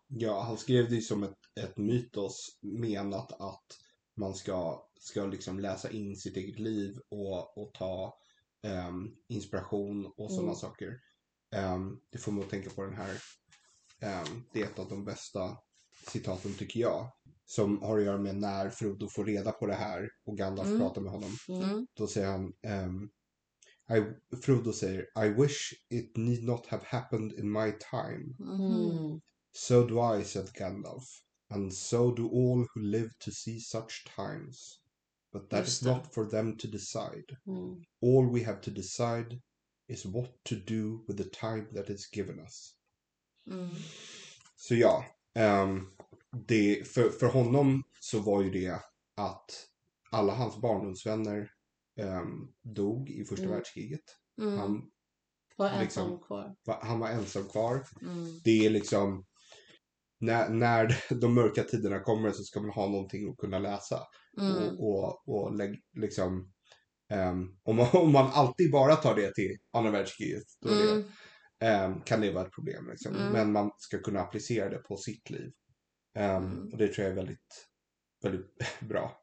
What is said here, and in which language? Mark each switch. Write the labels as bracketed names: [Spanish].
[Swedish] Ja, han skrev det som ett mytos, menat att man ska liksom läsa in sitt eget liv och ta inspiration och sådana saker. Det får man tänka på den här, det är ett av de bästa citaten tycker jag. Som har att göra med när Frodo får reda på det här och Gandalf pratar med honom. Mm. Då säger han... Frodo säger, [English] I wish it need not have happened in my time. So do I, said Gandalf. And so do all who live to see such times. But that is not for them to decide. All we have to decide is what to do with the time that is given us. [Swedish] Så ja, det för honom så var ju det att alla hans barndomsvänner dog i första världskriget. Han var ensam kvar. Det är liksom när de mörka tiderna kommer så ska man ha någonting att kunna läsa och liksom om man alltid bara tar det till andra världskriget, då kan det vara ett problem liksom. Men man ska kunna applicera det på sitt liv, och det tror jag är väldigt väldigt bra.